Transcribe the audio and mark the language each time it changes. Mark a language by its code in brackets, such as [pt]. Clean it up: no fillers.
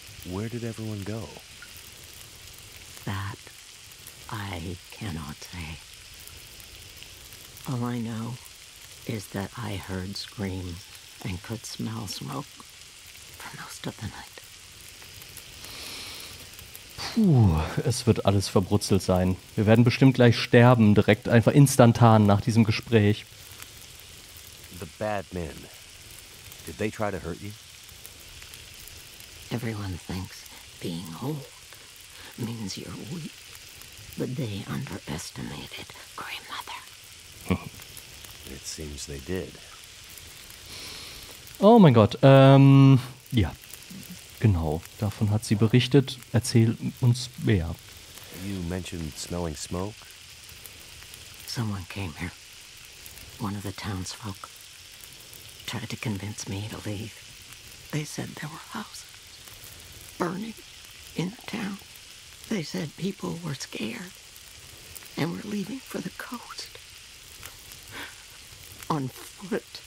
[en] Where did everyone go? That I cannot say. All I know is that I heard screams and could smell smoke for most of the night. [de] Puh, es wird alles verbrutzelt sein. Wir werden bestimmt gleich sterben, direkt einfach instantan nach diesem Gespräch. [en] The bad men. Did they try to hurt you? Everyone thinks being old means you're weak. But they underestimated Grey Mother. It seems they did. [de] Oh mein Gott, ja. Genau, davon hat sie berichtet. Erzähl uns mehr. [en] You mentioned smelling smoke? Someone came here. One of the townsfolk. Tried to convince me to leave. They said there were houses burning in the town. They said people were scared and were leaving for the coast on foot.